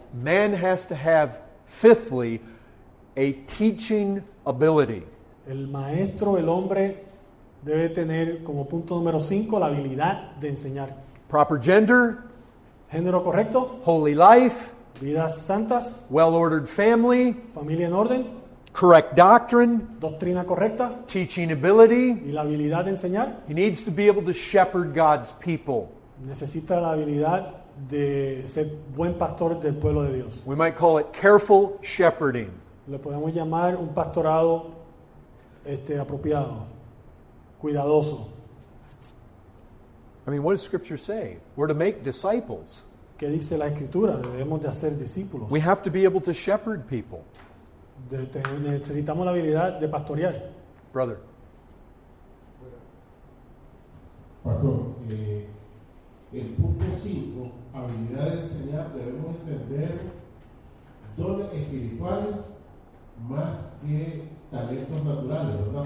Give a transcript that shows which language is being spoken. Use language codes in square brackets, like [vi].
[en] Man has to have, fifthly, a teaching ability. [es] El maestro, el hombre, debe tener como punto número 5 la habilidad de enseñar. [en] Proper gender. [es] Género correcto. [en] Holy life. [es] Vidas santas. [en] Well-ordered family. [es] Familia en orden. [en] Correct doctrine. [es] Doctrina correcta. [en] Teaching ability. [es] Y la habilidad de enseñar. [en] He needs to be able to shepherd God's people. [es] Necesita la habilidad de ser buen pastor del pueblo de Dios. [en] We might call it careful shepherding. [es] Le podemos llamar un pastorado apropiado. Cuidadoso. [en] I mean, what does Scripture say? We're to make disciples. [es] ¿Qué dice la Escritura? Debemos de hacer discípulos. [en] We have to be able to shepherd people. [es] Necesitamos la habilidad de pastorear. [en] Brother. [es] Pastor, el punto 5, habilidad de enseñar, debemos entender dones espirituales más que talentos naturales, ¿verdad?